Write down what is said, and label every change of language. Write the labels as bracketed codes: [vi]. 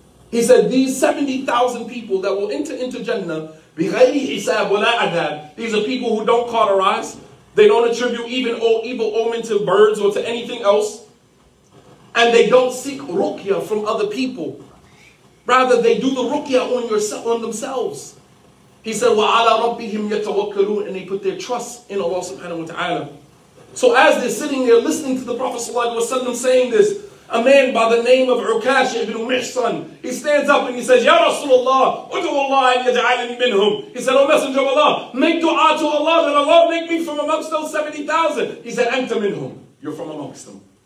[en] He said, these 70,000 people that will enter into Jannah, [ar] بِغَيْرِ حِسَابٍ وَلَا عَذَابٍ, [en] these are people who don't cauterize. They don't attribute even evil omen to birds or to anything else. And they don't seek ruqya from other people. Rather, they do the ruqya on themselves. He said, [ar] وَعَلَى رَبِّهِمْ يَتَوَكَّلُونَ. [en] And they put their trust in Allah subhanahu wa ta'ala. So as they're sitting there listening to the Prophet sallallahu alayhi wa sallam saying this, a man by the name of Ukash ibn Mihsan, he stands up and he says, [ar] Ya Rasulullah, udu'u Allah an yaj'alani minhum. [en] He said, O Messenger of Allah, make dua to Allah that Allah make me from amongst those 70,000. He said, [ar] Anta minhum. [en] You're from amongst them.